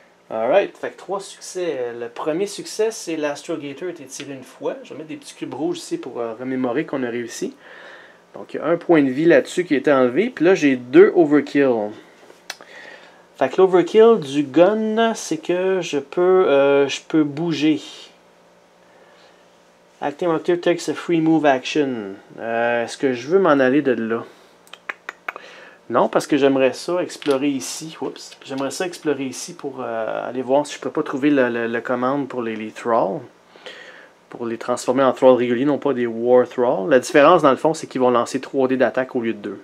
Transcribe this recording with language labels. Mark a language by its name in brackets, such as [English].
[French] Alright, fait que 3 succès. Le premier succès, c'est l'Astrogator a été tiré une fois. Je vais mettre des petits cubes rouges ici pour remémorer qu'on a réussi. Donc, il y a un point de vie là-dessus qui a été enlevé. Puis là, j'ai 2 overkill. Fait que l'overkill du gun, c'est que je peux bouger. [English] Acting Rocketeer takes a free move action. [French] Est-ce que je veux m'en aller de là? Non, parce que j'aimerais ça explorer ici. Oups. J'aimerais ça explorer ici pour aller voir si je peux pas trouver la commande pour les thralls. Pour les transformer en thralls réguliers, non pas des war thralls. La différence, dans le fond, c'est qu'ils vont lancer 3 dés d'attaque au lieu de 2.